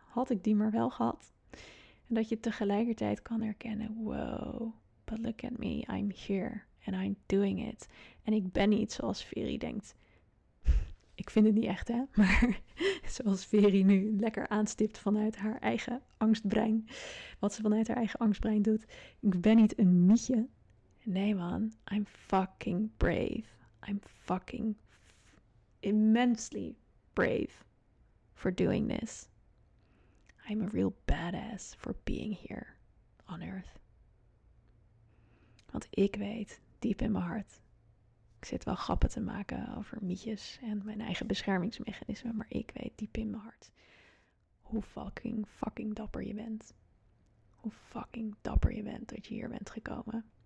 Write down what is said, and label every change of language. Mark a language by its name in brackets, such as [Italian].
[Dutch] Had ik die maar wel gehad. En dat je tegelijkertijd kan erkennen, wow, [English] but look at me, I'm here and I'm doing it. [Dutch] En ik ben niet zoals Veri denkt. Ik vind het niet echt, hè, maar zoals Veri nu lekker aanstipt vanuit haar eigen angstbrein, wat ze vanuit haar eigen angstbrein doet. Ik ben niet een mietje. Nee, [English] man, I'm fucking brave. I'm fucking immensely brave for doing this. I'm a real badass for being here on Earth. [Dutch] Want ik weet, diep in mijn hart, ik zit wel grappen te maken over mietjes en mijn eigen beschermingsmechanismen, maar ik weet diep in mijn hart hoe fucking dapper je bent. Hoe fucking dapper je bent dat je hier bent gekomen.